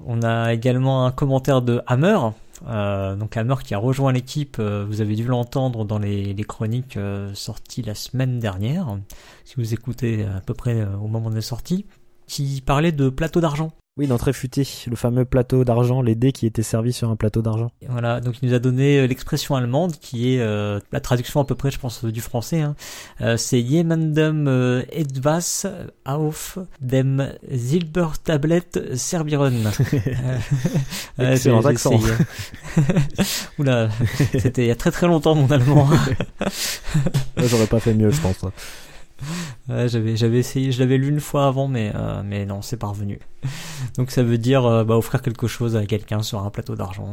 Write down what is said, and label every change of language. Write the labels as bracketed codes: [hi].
[fr] On a également un commentaire de Hammer. Donc Hammer qui a rejoint l'équipe, vous avez dû l'entendre dans les chroniques sorties la semaine dernière, si vous écoutez à peu près au moment de la sortie, qui parlait de plateau d'argent. Oui, dans Tréfuté, le fameux plateau d'argent, les dés qui étaient servis sur un plateau d'argent. Et voilà, donc il nous a donné l'expression allemande qui est la traduction à peu près, je pense, du français. Hein. C'est [de] Jemandem etwas auf dem Silbertablett servieren. [fr] Excellent accent. Essayé. Oula, c'était il y a très très longtemps mon allemand. Là, j'aurais pas fait mieux, je pense. Ouais, j'avais essayé, je l'avais lu une fois avant, mais non, c'est pas revenu. Donc ça veut dire offrir quelque chose à quelqu'un sur un plateau d'argent.